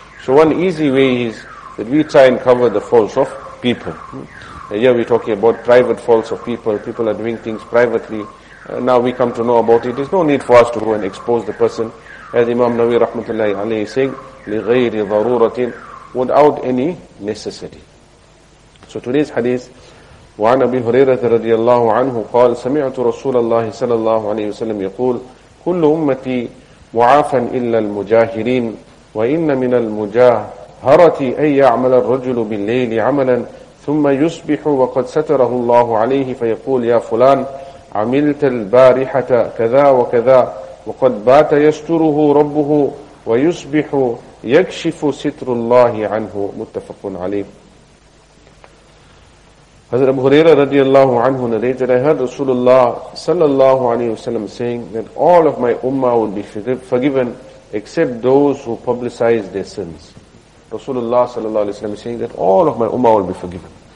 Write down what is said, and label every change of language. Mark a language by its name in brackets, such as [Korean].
[English] So one easy way is that we try and cover the faults of people. And here we're talking about private faults of people. People are doing things privately. Now we come to know about it. There's no need for us to go and expose the person. As Imam Nawawi rahmatullahi alayhi saying, [Arabic] لِغَيْرِ ضَرُورَةٍ, [English] without any necessity. So today's hadith, [Arabic] وعن أبي هريرة رضي الله عنه قال سمعت رسول الله صلى الله عليه وسلم يقول كل أمتي معافا إلا المجاهرين وإن من المجاهرة أن يعمل الرجل بالليل عملا ثم يصبح وقد ستره الله عليه فيقول يا فلان عملت البارحة كذا وكذا وقد بات يستره ربه ويصبح يَكْشِفُ سِتْرُ اللَّهِ عَنْهُ مُتَّفَقٌ عَلَيْهِ. [English] Hazrat Abu Huraira radiallahu anhu narrated, I heard Rasulullah sallallahu alayhi wa sallam saying that all of my ummah will be forgiven except those who publicize their sins. Rasulullah sallallahu alayhi wa sallam is saying that all of my ummah will be forgiven.